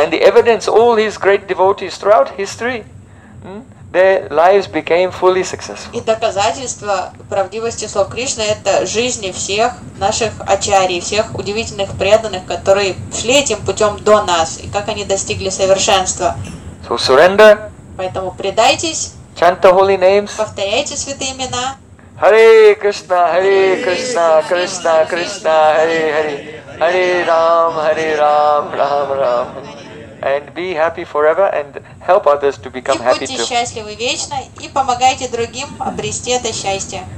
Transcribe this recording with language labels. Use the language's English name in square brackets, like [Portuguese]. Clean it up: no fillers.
[English] And the evidence, all his great devotees throughout history, their lives became fully successful. [Russian] И доказательство правдивости слов Кришны – это жизни всех наших ачарий, всех удивительных преданных, которые шли этим путем до нас, и как они достигли совершенства. [English] So surrender. [Russian] Поэтому предайтесь. [English] Chant the holy names. [Russian] Повторяйте святые имена. [Sanskrit] Hare Krishna, Krishna, Krishna, Hare Hare, Hare Ram, Ram Ram. [English] And be happy forever and help others to become happy too. [Russian] И будьте счастливы вечно и помогайте другим обрести это счастье.